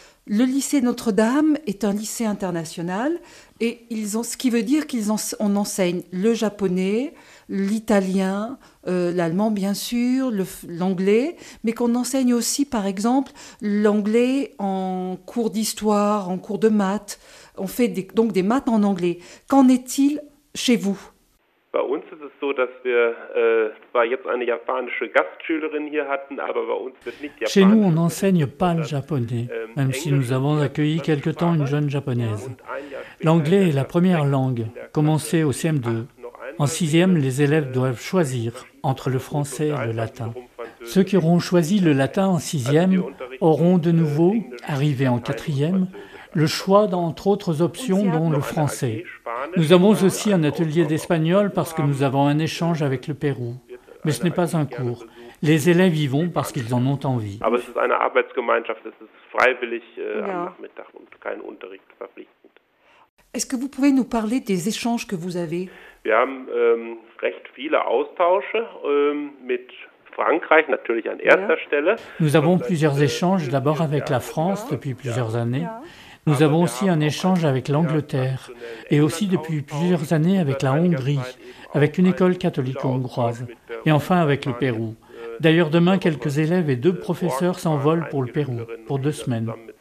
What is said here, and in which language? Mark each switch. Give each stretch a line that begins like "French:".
French: Le lycée Notre-Dame est un lycée international, et ils ont, ce qui veut dire qu'on enseigne le japonais, l'italien, l'allemand bien sûr, l'anglais, mais qu'on enseigne aussi par exemple l'anglais en cours d'histoire, en cours de maths. On fait donc des maths en anglais. Qu'en est-il chez vous ?
German: Bei uns ist es so, dass wir zwar jetzt eine japanische Gastschülerin hier hatten, aber bei uns wird nicht japanisch.
French: Chez nous, on n'enseigne pas le japonais, même si nous avons accueilli quelque temps une jeune japonaise. L'anglais est la première langue, commencée au CM2. En sixième, les élèves doivent choisir entre le français et le latin. Ceux qui auront choisi le latin en sixième auront de nouveau, arrivés en quatrième, le choix d'entre autres options dont le français. Nous avons aussi un atelier d'espagnol parce que nous avons un échange avec le Pérou. Mais ce n'est pas un cours. Les élèves y vont parce qu'ils en ont envie.
German: Aber es ist eine Arbeitsgemeinschaft, es ist freiwillig am Nachmittag und kein Unterricht verpflichtend.
French: Est-ce que vous pouvez nous parler des échanges que vous avez?
German: Wir haben recht viele Austausche mit Frankreich natürlich an erster Stelle.
French: Nous avons plusieurs échanges d'abord avec la France depuis plusieurs années. Nous avons aussi un échange avec l'Angleterre et aussi depuis plusieurs années avec la Hongrie, avec une école catholique hongroise et enfin avec le Pérou. D'ailleurs, demain, quelques élèves et deux professeurs s'envolent pour le Pérou pour 2 semaines.